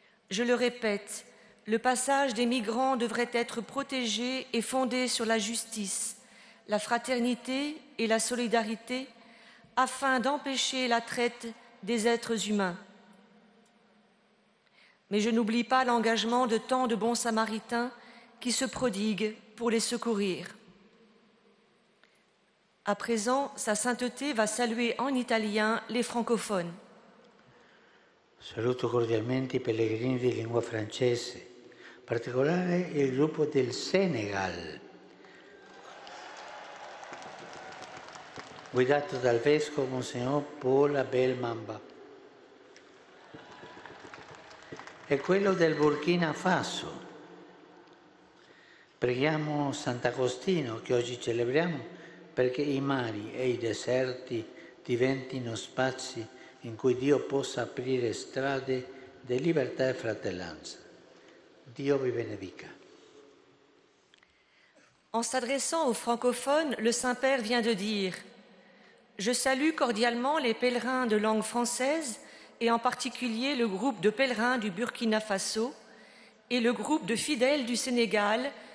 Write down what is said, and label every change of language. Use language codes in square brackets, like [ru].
[fr] Je le répète, le passage des migrants devrait être protégé et fondé sur la justice, la fraternité et la solidarité afin d'empêcher la traite des êtres humains. Mais je n'oublie pas l'engagement de tant de bons samaritains qui se prodiguent pour les secourir. À présent, Sa Sainteté va saluer en italien les francophones. [it] Saluto cordialmente i pellegrini di lingua francese, in particolare il gruppo del Senegal, guidato dal vescovo Monsignor Paul Abel Mamba, e quello del Burkina Faso. Preghiamo Sant'Agostino, che oggi celebriamo, perché i mari e i deserti diventino spazi in cui Dio possa aprire strade di libertà e fratellanza. Dio vi benedica. [fr] En s'adressant aux francophones, le Saint-Père vient de dire: Je salue cordialement les pèlerins de langue française et en particulier le groupe de pèlerins du Burkina Faso et le groupe de fidèles du Sénégal